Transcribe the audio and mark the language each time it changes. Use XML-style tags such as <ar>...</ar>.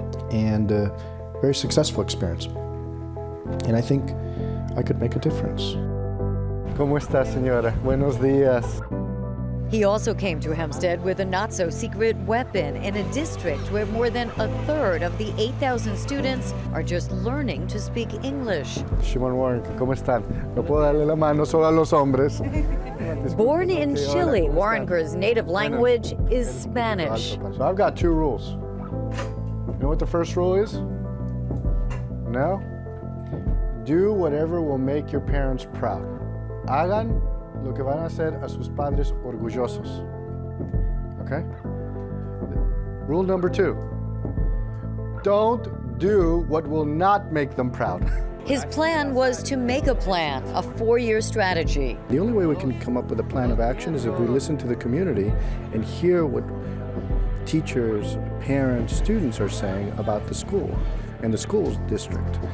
<en>And a very successful experience. And I think I could make a difference.</en> <es>¿Cómo está, señora? Buenos días.</es> <en>He also came to Hempstead with a not-so-secret weapon in a district where more than a third of the 8,000 students are just learning to speak English.</en> <es>Shimon Warrenker, ¿cómo están? No puedo darle la mano solo a los hombres.</es> <en>Born in Chile, Warrenker's native language is Spanish. So I've got two rules. You know what the first rule is? No? Do whatever will make your parents proud.</en> <es>Hagan lo que van a hacer a sus padres orgullosos, okay?</es> <en>Rule number two, don't do what will not make them proud. His plan was to make a plan, a four-year strategy. The only way we can come up with a plan of action is if we listen to the community and hear what teachers, parents, students are saying about the school and the school's district.</en>